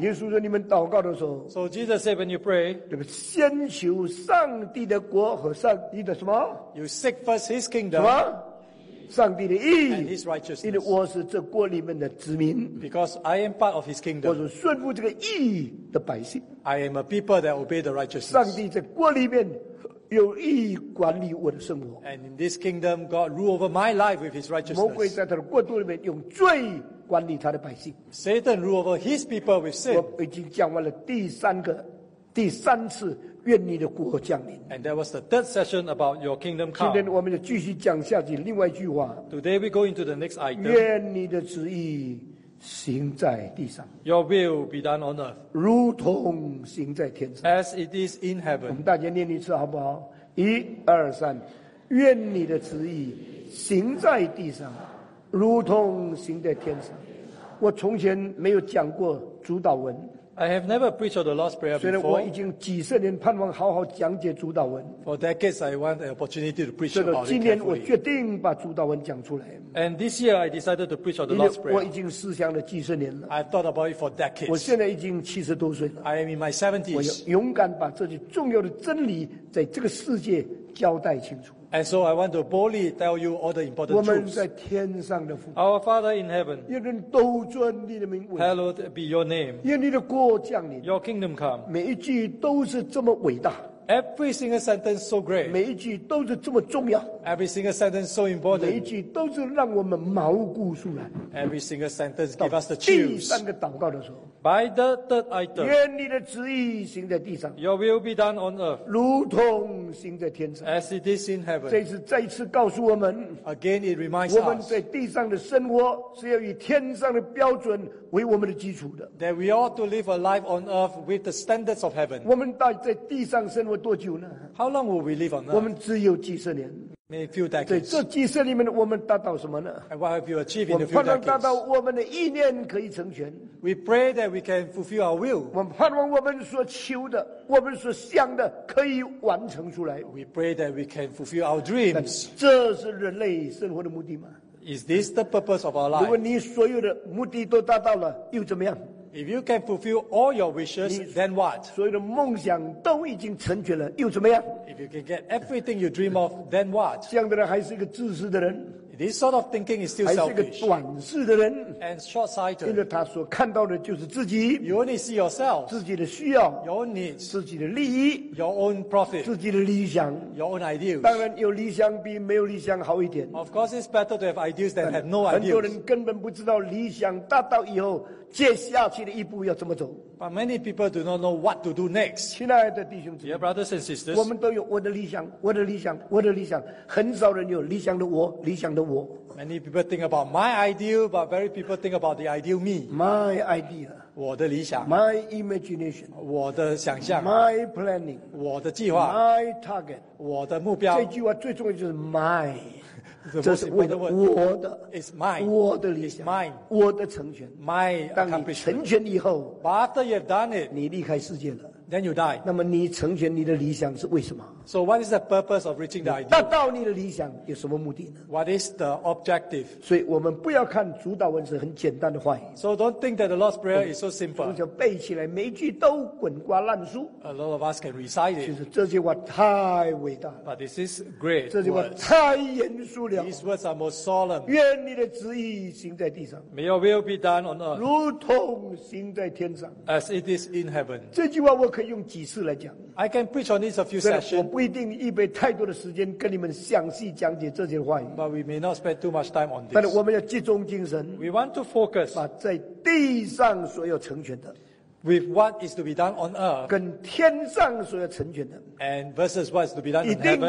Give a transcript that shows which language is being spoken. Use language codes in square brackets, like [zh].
[zh] 耶稣说你们祷告的时候。 [en] So Jesus said when you pray. [zh] 先求上帝的国和上帝的什么 [en] ？You seek first His kingdom. [zh] 什么？上帝的义。 [en] And His righteousness. [zh] 因为我是这国里面的子民。 [en] Because I am part of His kingdom. [zh] 我是顺服这个义的百姓。 [en] I am a people that obey the righteousness. [zh] 上帝在国里面有义管理我的生活。 [en] And in this kingdom, God rule over my life with His righteousness. [zh] 魔鬼在他的国度里面用罪管理他的百姓。 [en] Satan rule over His people with sin. [zh] 我已经讲完了第三次。愿你的国降临。 [en] And that was the third session about your kingdom come. [zh] 今天我们就继续讲下去另外一句话。 [en] Today we go into the next item. [zh] 愿你的旨意行在地上。 [en] Your will be done on earth. [zh] 如同行在天上。 [en] As it is in heaven. [zh] 我们大家念一次好不好？一、二、三。愿你的旨意行在地上，如同行在天上。我从前没有讲过主导文。 [en] I have never preached on the Lord's Prayer before. [zh] 虽然我已经几十年盼望好好讲解主导文。 [en] For decades, I want an opportunity to preach about it carefully. [zh] 今年我决定把主导文讲出来。 [en] And this year, I decided to preach on the Lord's Prayer. [zh] 我已经思想了几十年了。 [en] I've thought about it for decades. [zh] 我现在已经70多岁了。 [en] I am in my 70s. [zh] 我要勇敢把这些重要的真理在这个世界交代清楚。 [en] And so I want to boldly tell you all the important truths. [zh] 我们在天上的父。 [en] Our Father in heaven. [zh] 愿人都尊你的名为。 [en] Hallowed be your name. [zh] 愿你的国降临。 [en] Your kingdom come. [zh] 每一句都是这么伟大。 [en] Every single sentence so great. [zh] 每一句都是这么重要。 [en] Every single sentence so important. [zh] 每一句都是让我们毛骨悚然。 [en] Every single sentence give us the chills. [zh] 第三个祷告的时候。 [en] By the third item. [zh] 愿你的旨意行在地上。 [en] Your will be done on earth. [zh] 如同行在天上。 [en] As it is in heaven. [zh] 这次再次告诉我们。 [en] Again it reminds us. [zh] 我们在地上的生活是要以天上的标准为我们的基础的。 [en] That we ought to live a life on earth with the standards of heaven. [zh] 我们到在地上生活多久呢？ [en] How long will we live on earth? [zh] 我们只有几十年。 [en] Maybe a few decades. [zh] 对，这几十年里面，我们达到什么呢？ [en] And what have you achieved in a few decades? [zh] 我们盼望达到我们的意念可以成全。 [en] We pray that we can fulfill our will. [zh] 我们盼望我们所求的，我们所想的，可以完成出来。 [en] We pray that we can fulfill our dreams. [zh] 这是人类生活的目的吗？ [en] Is this the purpose of our life? [zh] 如果你所有的目的都达到了，又怎么样？ [en] If you can fulfill all your wishes, then what? [zh] 所有的梦想都已经成全了，又怎么样？ [en] If you can get everything you dream of, then what? [zh] 这样的人还是一个自私的人。 [en] This sort of thinking is still selfish. [zh] 还是一个短视的人。 [en] And short-sighted. [zh] 因为他所看到的就是自己。 [en] You only see yourself. [zh] 自己的需要。 [en] Your own needs. [zh] 自己的利益。 [en] Your own profit. [zh] 自己的理想。 [en] Your own ideals. [zh] 当然有理想比没有理想好一点。 [en] Of course, it's better to have ideas than have no ideas. [zh] 很多人根本不知道理想达到以后接下去的一步要怎么走。 [en] But many people do not know what to do next. [zh] 亲爱的弟兄姊妹。 [en] Dear brothers and sisters. [zh] 我们都有我的理想，我的理想，我的理想。很少人有理想的我，理想的我。 [en] Many people think about my ideal, but very people think about the ideal me. My idea. [zh] 我的理想。 [en] My imagination. [zh] 我的想象。 [en] My planning. [zh] 我的计划。 [en] My target. [zh] 我的目标。这句话最重要就是 my。这是为了我的 [en] It's mine. [zh] 我的理想 [en] It's mine. [zh] 我的成全 [en] My [zh] 当你成全以后 [en] But after you've done it, [zh] 你离开世界了 [en] Then you die [zh] 那么你成全你的理想是为什么 [en] So what is the purpose of reaching the ideal [zh] 达到你的理想有什么目的呢 [en] What is the objective [zh] 所以我们不要看主导文是很简单的话语 [en] So don't think that the Lord's Prayer is so simple [zh] 就背起来每句都滚瓜烂熟 [en] A lot of us can recite it [zh] 其实这句话太伟大了 [en] But this is great [zh] 这句话太严肃了 [en] These words are most solemn. [zh] 愿你的旨意行在地上。 [en] May your will be done on earth. [zh] 如同行在天上。 [en] As it is in heaven. [zh] 这句话我可以用几次来讲。 [en] I can preach on this a few sessions. [zh] 我不一定预备太多的时间跟你们详细讲解这些话语。 [en] But we may not spend too much time on this. [zh] 但是我们要集中精神。 [en] We want to focus. [zh] 把在地上所有成全的。 [en] With what is to be done on earth, [zh] 跟天上所要成全的 [en] and versus what is to be done in heaven,